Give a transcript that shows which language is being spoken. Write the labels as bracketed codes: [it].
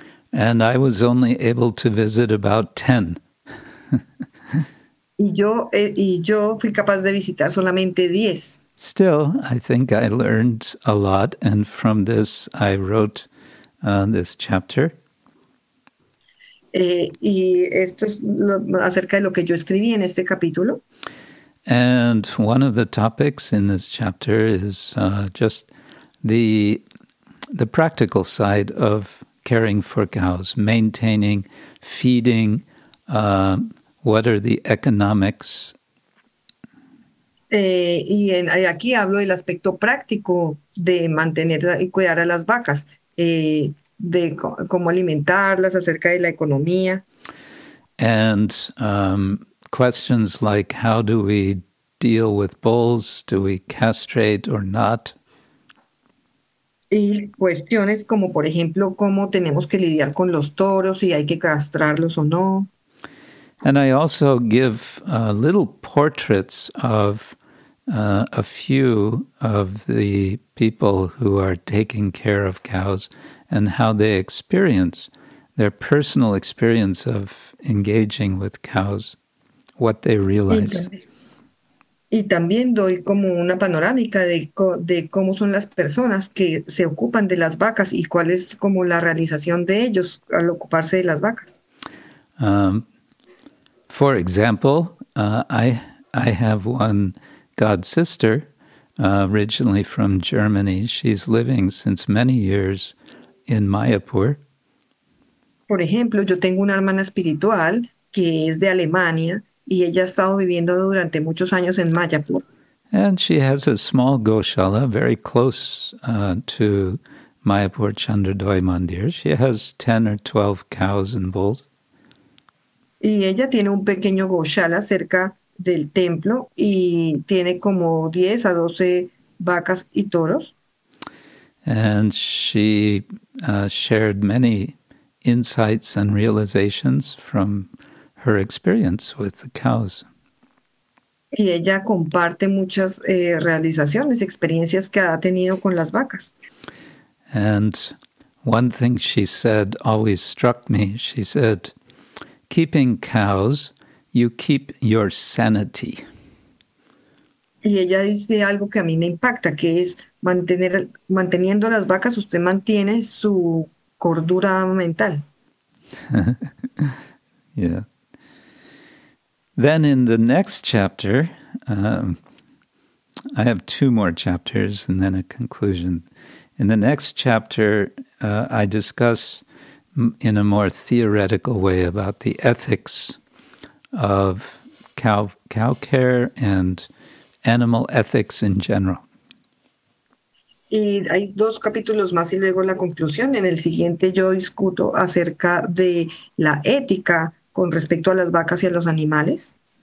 [en] And I was only able to visit about 10. [es] y yo fui capaz de visitar solamente 10. [en] Still, I think I learned a lot, and from this I wrote this chapter. [es] Y esto es lo, acerca de lo que yo escribí en este capítulo. [en] And one of the topics in this chapter is just the practical side of caring for cows, maintaining, feeding, what are the economics? [es] Y aquí hablo del aspecto práctico de mantener y cuidar a las vacas. De cómo alimentarlas, acerca de la economía. [en] And questions like how do we deal with bulls? Do we castrate or not? [es] Y cuestiones como, por ejemplo, cómo tenemos que lidiar con los toros, si hay que castrarlos o no. [en] And I also give little portraits of a few of the people who are taking care of cows and how they experience their personal experience of engaging with cows, what they realize. [es] Y también doy como una panorámica de cómo son las personas que se ocupan de las vacas y cuál es como la realización de ellos al ocuparse de las vacas. [en] For example, I have one god sister originally from Germany. She's living since many years in Mayapur. [es] Por ejemplo, yo tengo una hermana espiritual que es de Alemania y ella ha estado viviendo durante muchos años en Mayapur. [en] And she has a small goshala very close to Mayapur Chandradoy Mandir. She has 10 or 12 cows and bulls. [es] Y ella tiene un pequeño goshala cerca del templo y tiene como 10 a 12 vacas y toros. [en] And she shared many insights and realizations from her experience with the cows. [es] Y ella comparte muchas realizaciones, experiencias que ha tenido con las vacas. [en] And one thing she said always struck me. She said, keeping cows, you keep your sanity. [es] Y ella dice algo que a mí me impacta, que es manteniendo las vacas, usted mantiene su cordura mental. Yeah. [en] Then in the next chapter, I have two more chapters and then a conclusion. In the next chapter, I discuss in a more theoretical way about the ethics of cow care and animal ethics in general. [es] Y hay dos capítulos más y luego la conclusión. En el siguiente yo discuto acerca de la ética con respecto a las vacas y a los animales.